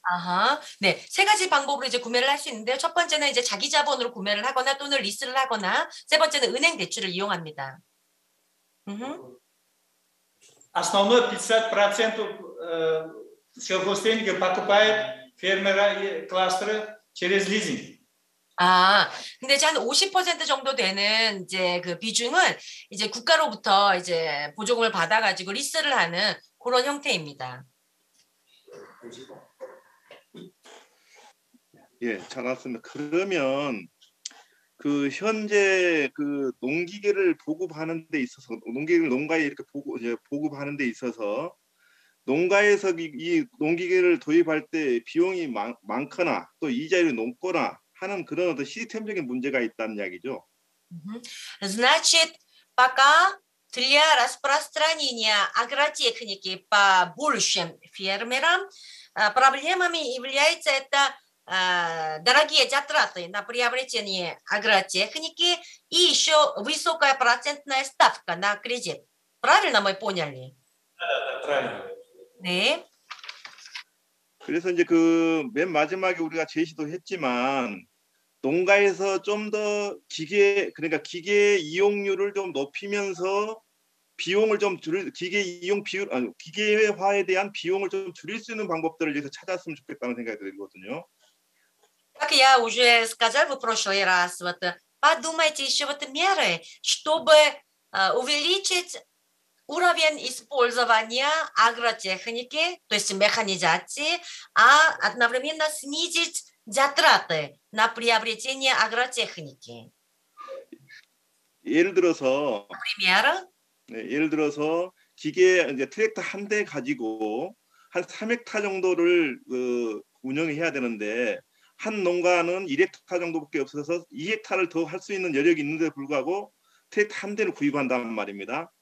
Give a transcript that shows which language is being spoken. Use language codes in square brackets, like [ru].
[ko] 아하, 네, 세 가지 방법으로 이제 구매를 할 수 있는데요. 첫 번째는 이제 자기 자본으로 구매를 하거나 또는 리스를 하거나, 세 번째는 은행 대출을 이용합니다. [ru] основное 50% всего госденег покупает фермеры и кластеры через лизинг. [ko] 아, 근데 이제 한 50% 정도 되는 이제 그 비중은 이제 국가로부터 이제 보조금을 받아가지고 리스를 하는 그런 형태입니다. 예, 잘 알았습니다. 그러면 그 현재 그 농기계를 보급하는 데 있어서 농기계를 농가에 이렇게 보급하는 데 있어서 농가에서 이 농기계를 도입할 때 비용이 많거나 또 이자율이 높거나 하는 그런 어떤 시스템적인 문제가 있다는 이야기죠. [ru] Значит, пока для распространения агротехники по большим фермерам проблемами является это дорогие затраты на приобретение агротехники и еще высокая процентная ставка на кредит. Правильно мы поняли? Да, правильно. [ko] 네. 그래서 이제 그 맨 마지막에 우리가 제시도 했지만 농가에서 좀 더 기계 그러니까 기계 이용률을 좀 높이면서 비용을 좀 줄 기계 이용 비율 아니 기계화에 대한 비용을 좀 줄일 수 있는 방법들을 위해서 찾았으면 좋겠다는 생각이 들거든요. [ru] Как я уже сказал в прошлый раз, вот подумайте еще вот меры, чтобы увеличить уровень использования агротехники, то есть механизации, а одновременно снизить затраты на приобретение агротехники. [ko] 예를 들어서, [ru] например, [ko] 네, 예를 들어서 기계 이제 트랙터 한 대 가지고 한 3헥타 정도를 그 운영해야 되는데 한 농가는 1헥타 정도밖에 없어서 2헥타를 더 할 수 있는 여력이 있는데 불구하고 트랙터 한 대를 구입한다는 말입니다.